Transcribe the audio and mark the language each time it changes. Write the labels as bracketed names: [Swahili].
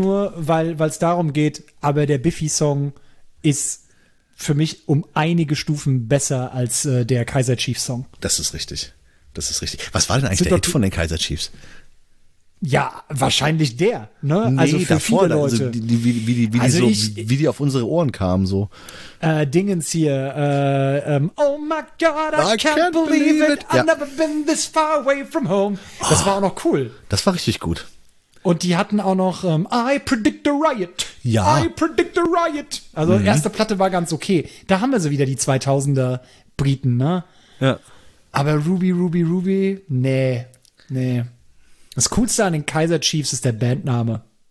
[German] Nur, weil es darum geht, aber der Biffy-Song ist für mich um einige Stufen besser als der Kaiser Chiefs-Song. Das ist richtig. Was war denn eigentlich der Hit von den Kaiser Chiefs? Ja, wahrscheinlich der, ne? Wie die auf unsere Ohren kamen, so. Dingens hier, [English] oh my God, I can't believe it. I've never been this far away from home. [German] Das war auch noch cool. Das war richtig gut. Und die hatten auch noch, [English] I predict a riot. [German] Ja. [English] I predict a riot. [German] Also, erste Platte war ganz okay. Da haben wir so wieder die 2000er Briten, ne? Ja. Aber Ruby, nee. Das Coolste an den Kaiser Chiefs ist der Bandname.